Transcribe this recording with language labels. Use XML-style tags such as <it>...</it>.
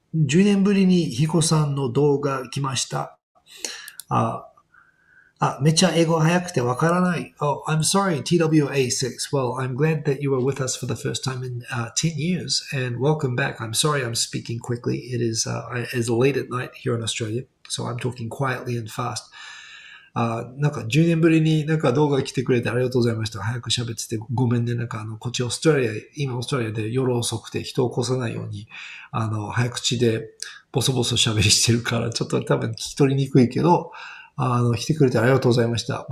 <ja>10年ぶりにヒコさんの動画来ました。めっちゃ英語早くてわからない。</ja> <en>Oh, I'm sorry, TWA6. Well, I'm glad that you were with us for the first time in 10 years and welcome back. I'm sorry I'm speaking quickly. It is late at night here in Australia, so I'm talking quietly and fast.</en> <ja>なんか10年ぶりになんか動画来てくれてありがとうございました。早く喋っててごめんね。なんかこっちオーストラリア、今オーストラリアで夜遅くて人を起こさないように、早口でボソボソ喋りしてるから、ちょっと多分聞き取りにくいけど、来てくれてありがとうございました。</ja>